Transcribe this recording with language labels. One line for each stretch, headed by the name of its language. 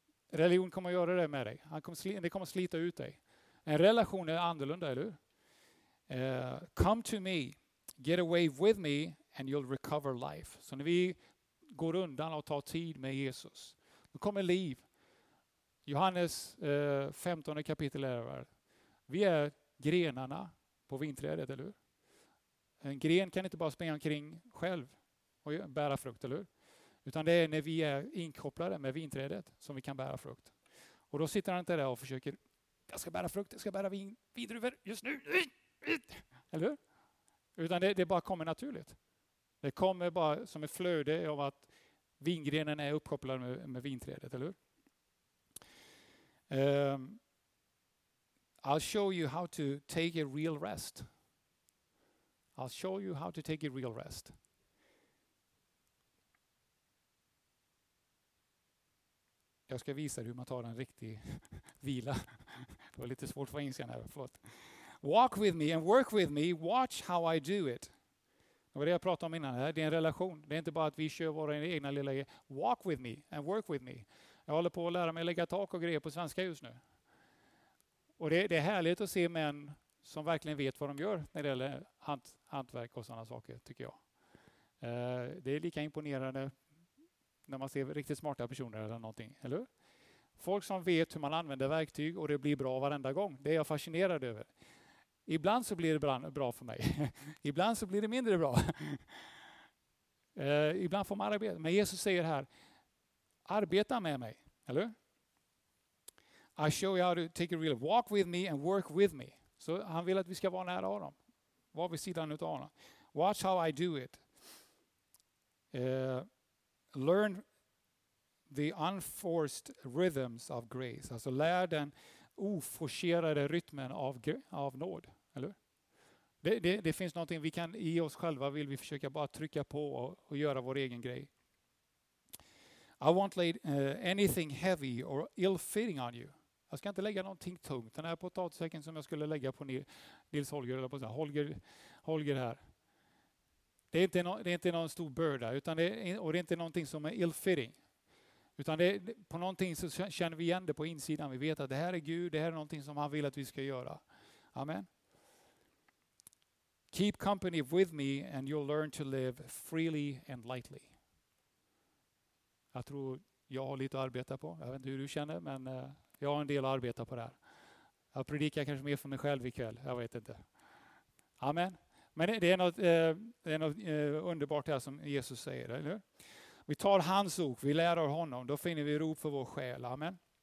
Swedish: Religion kommer att göra det med dig. Det kommer att slita ut dig. En relation är annorlunda, eller hur?
English: Come to me. Get away with me and you'll recover life.
Swedish: Så när vi går undan och tar tid med Jesus, då kommer liv. Johannes 15 kapitel är det. Vi är grenarna på vinträdet, eller hur? En gren kan inte bara springa omkring själv och bära frukt, eller hur? Utan det är när vi är inkopplade med vinträdet som vi kan bära frukt. Och då sitter han inte där och försöker, jag ska bära frukt, jag ska bära vindruvor just nu. Eller hur? Utan det bara kommer naturligt. Det kommer bara som ett flöde av att vingrenen är uppkopplad med vinträdet, eller hur?
English: I'll show you how to take a real rest. I'll show you how to take a real rest.
Swedish: Jag ska visa hur man tar en riktig vila. Det var lite svårt för insidan här. Förlåt.
English: Walk with me and work with me. Watch how I do it.
Swedish: Det var det jag pratade om innan. Det är en relation. Det är inte bara att vi kör våra egna lilla grejer.
English: Walk with me and work with me.
Swedish: Jag håller på att lära mig att lägga tak och grejer på svenska just nu. Och det är härligt att se män som verkligen vet vad de gör när det gäller hantverk och sådana saker, tycker jag. Det är lika imponerande när man ser riktigt smarta personer eller någonting, eller hur? Folk som vet hur man använder verktyg och det blir bra varenda gång. Det är jag fascinerad över. Ibland så blir det bra för mig. Ibland så blir det mindre bra. Ibland får man arbeta. Men Jesus säger här, arbeta med mig, eller hur?
English: I show you how to take a real walk with me and work with me.
Swedish: Så han vill att vi ska vara nära honom. Var vid sidan av honom.
English: Watch how I do it. Learn the unforced rhythms of grace.
Swedish: Alltså lär den oforcerade rytmen av nåd. Eller? Det finns någonting vi kan i oss själva. Vill vi försöka bara trycka på och göra vår egen grej.
English: I won't lay anything heavy or ill-fitting on you.
Swedish: Jag ska inte lägga någonting tungt. Den här potatisäcken som jag skulle lägga på Nils Holger, eller på så här, Holger här. Det är inte någon stor börda, och det är inte någonting som är ill-fitting. Utan det är, på någonting så känner vi igen det på insidan. Vi vet att det här är Gud, det här är någonting som han vill att vi ska göra. Amen.
English: Keep company with me and you'll learn to live freely and lightly.
Swedish: Jag tror jag har lite att arbeta på. Jag vet inte hur du känner, men jag har en del att arbeta på där. Jag predikar kanske mer för mig själv ikväll. Jag vet inte. Amen. Men det är något underbart här som Jesus säger, eller hur? Vi tar hans ok, vi lär av honom. Då finner vi ro för vår själ. Amen.